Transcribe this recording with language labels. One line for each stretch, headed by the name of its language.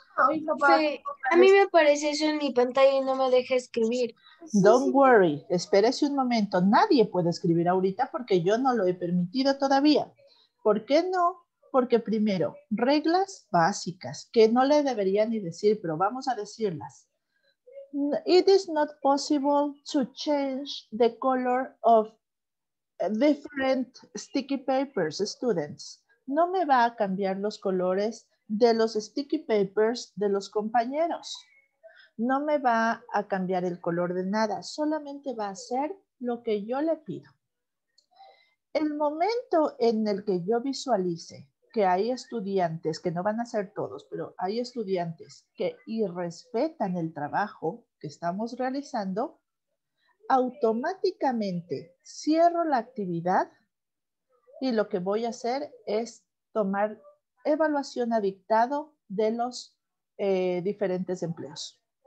Spanish: Sí, a mí me aparece eso en mi pantalla y no me deja escribir.
English: Don't worry,
Spanish: espérese un momento. Nadie puede escribir ahorita porque yo no lo he permitido todavía. ¿Por qué no? Porque primero, reglas básicas que no le debería ni decir, pero vamos a decirlas.
English: It is not possible to change the color of different sticky papers, students.
Spanish: No me va a cambiar los colores de los sticky papers de los compañeros. No me va a cambiar el color de nada. Solamente va a hacer lo que yo le pido. El momento en el que yo visualice que hay estudiantes, que no van a ser todos, pero hay estudiantes que irrespetan el trabajo que estamos realizando, automáticamente cierro la actividad y lo que voy a hacer es tomar evaluación a dictado de los diferentes empleos.